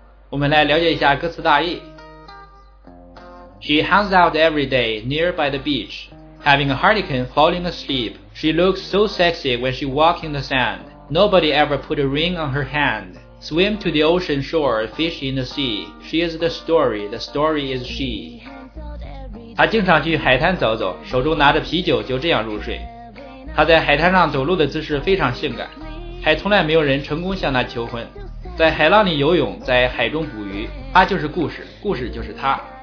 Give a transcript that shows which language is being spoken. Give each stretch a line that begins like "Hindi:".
Chinese: 我们来了解一下歌词大意。
English: She hangs out every day near by the beach, having a hurricane falling asleep. She looks so sexy when she walks in the sand. Nobody ever put a ring on her hand. Swim to the ocean shore, fish in the sea. She is the story is she.
Chinese: 她经常去海滩走走，手中拿着啤酒就这样入睡。她在海滩上走路的姿势非常性感，还从来没有人成功向她求婚。在海浪里游泳，在海中捕鱼，他就是故事，故事就是他。